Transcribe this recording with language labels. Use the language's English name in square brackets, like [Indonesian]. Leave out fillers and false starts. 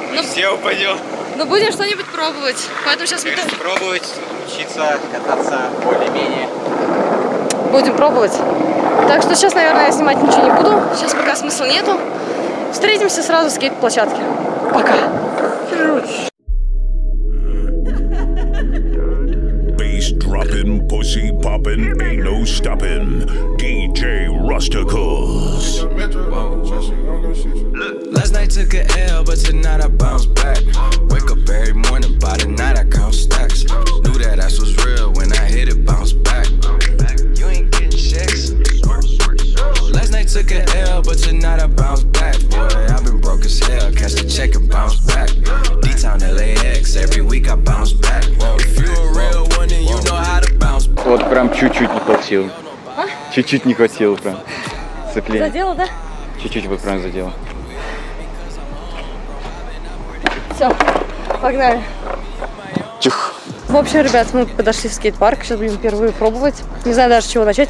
[Russian] Все упадем. Но будем что-нибудь пробовать. Поэтому сейчас мы... Учиться кататься более-менее. Будем пробовать. Так что сейчас, наверное, я снимать ничего не буду. Сейчас пока смысла нету. Встретимся сразу в скейт-площадке. Пока. [English] Bass dropping, pussy popping, ain't no stopping. DJ Rusticles. Last night took a L, but tonight I bounce back. Wake up every morning, by the night I count stacks. Knew that ass was real when I hit it, bounce back. You ain't getting checks. Last night took a L, but tonight I bounce back. Boy, I've been broke as hell, cash the check and bounce back. D-Town LAX, every week I bounce back. If you a real one, then you know how to bounce back. [Russian] Вот прям чуть-чуть не хватило. А? Чуть-чуть не хватило прям. Цепление. Задело, да? Чуть-чуть вот прям задело. Все, погнали. Тих. В общем, ребят, мы подошли в скейт-парк. Сейчас будем впервые пробовать. Не знаю даже, с чего начать.